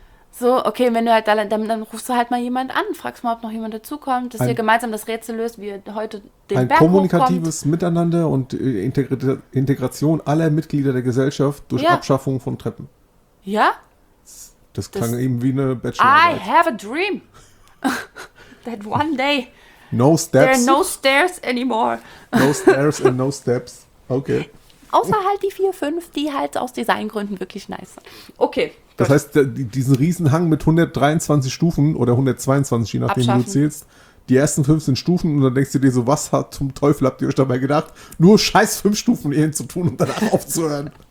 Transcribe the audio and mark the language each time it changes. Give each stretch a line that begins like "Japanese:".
German: So, okay, wenn du halt dann rufst du halt mal jemand an, fragst mal, ob noch jemand dazukommt, dass ein, ihr gemeinsam das Rätsel löst, wie ihr heute den Berg hochkommt. Ein kommunikatives Miteinander und Integration aller Mitglieder der Gesellschaft durch ja. Abschaffung von Treppen. Ja? Das klang das, eben wie eine Bachelorarbeit.
English: I have a dream that one day no steps. There are no stairs anymore. No stairs and no steps. Okay.
German: Außer halt die 4-5, die halt aus Designgründen wirklich nice sind. Okay. Das gut. heißt, diesen Riesenhang mit 123 Stufen oder 122, je nachdem, wie du zählst, die ersten 15 Stufen und dann denkst du dir so, was zum Teufel habt ihr euch dabei gedacht? Nur scheiß 5 Stufen eben zu tun und danach aufzuhören.